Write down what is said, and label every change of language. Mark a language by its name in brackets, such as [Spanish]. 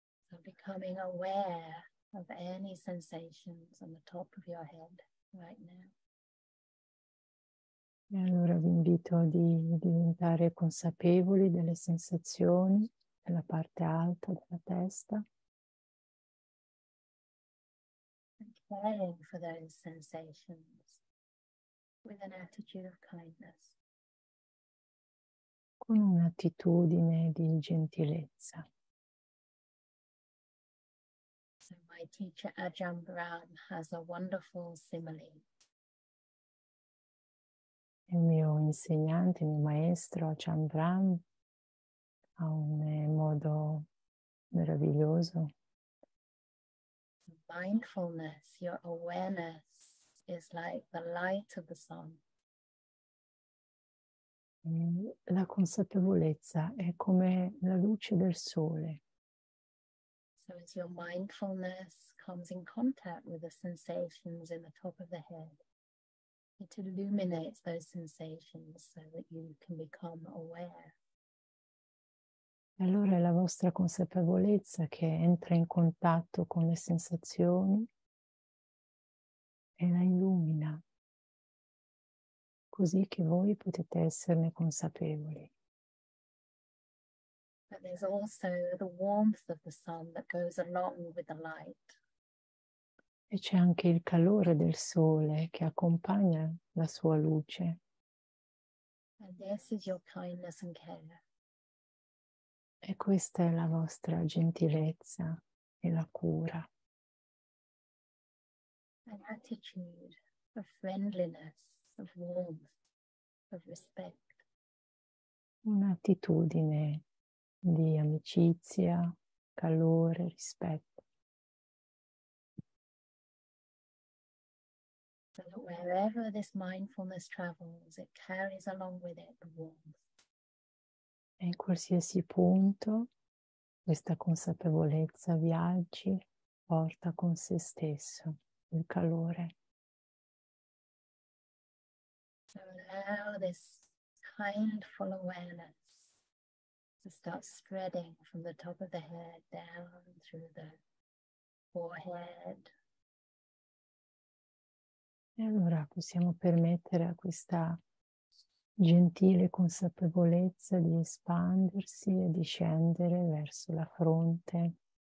[English] So becoming aware of any sensations on the top of your head right now. [Italian] E allora vi invito di diventare consapevoli delle sensazioni nella parte alta della testa. [English] Caring for those sensations with an attitude of kindness. [Italian] Con un'attitudine di gentilezza. [English] So my teacher Ajahn Brahm has a wonderful simile. [Italian] Il mio insegnante, il mio maestro Ajahn Brahm, ha un modo meraviglioso. [English] Mindfulness, your awareness is like the light of the sun. [Italian] La consapevolezza è come la luce del sole. [English] So as your mindfulness comes in contact with the sensations in the top of the head, it illuminates those sensations so that you can become aware. [Italian] Allora è la vostra consapevolezza che entra in contatto con le sensazioni e la illumina, così che voi potete esserne consapevoli. [English] But there's also the warmth of the sun that goes along with the light. [Italian] E c'è anche il calore del sole che accompagna la sua luce. [English] And this is your kindness and care. [Italian] E questa è la vostra gentilezza e la cura. [English] An attitude of friendliness, of warmth, of respect. [Italian] Un'attitudine di amicizia, calore, rispetto. [English] So that wherever this mindfulness travels, it carries along with it the warmth. [Italian] E in qualsiasi punto questa consapevolezza viaggi, porta con se stesso il calore. [English] So allow this kindful awareness to start spreading from the top of the head down through the forehead. [Italian] E allora possiamo permettere a questa gentile consapevolezza di espandersi e di scendere verso la fronte.